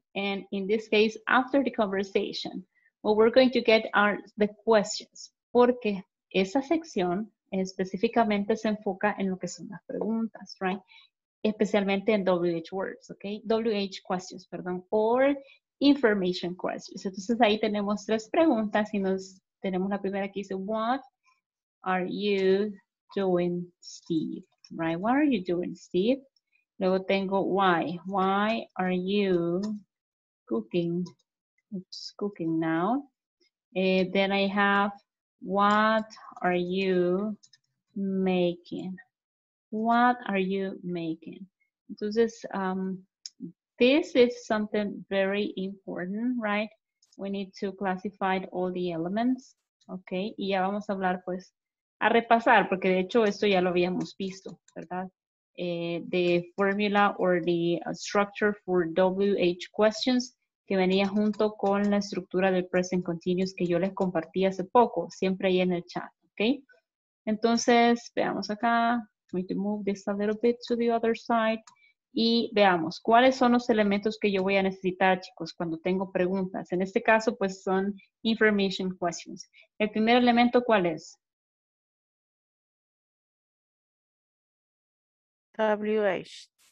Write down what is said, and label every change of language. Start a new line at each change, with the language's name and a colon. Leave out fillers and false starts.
English: And in this case, after the conversation, what we're going to get are the questions.
Spanish: Porque esa sección específicamente se enfoca en lo que son las preguntas, right? Especialmente en
English: WH words, okay? WH questions, perdón, or information questions.
Spanish: Entonces ahí tenemos 3 preguntas y tenemos la primera que dice,
English: what are you doing, Steve? Right? What are you doing, Steve?
Spanish: Luego tengo
English: why. Why are you cooking now? Then I have, what are you making? What are you making?
Spanish: Entonces,
English: this is something very important, right? We need to classify all the elements, okay?
Spanish: Y ya vamos a hablar, pues, a repasar, porque de hecho esto ya lo habíamos visto, ¿verdad?
English: The formula or the structure for WH questions
Spanish: que venía junto con la estructura del present continuous que yo les compartí hace poco, siempre ahí en el chat, okay? Entonces, veamos acá.
English: I'm going to move this a little bit to the other side.
Spanish: Y veamos, ¿cuáles son los elementos que yo voy a necesitar, chicos, cuando tengo preguntas? En este caso, pues, son information questions. ¿El primer elemento cuál es?
English: WH.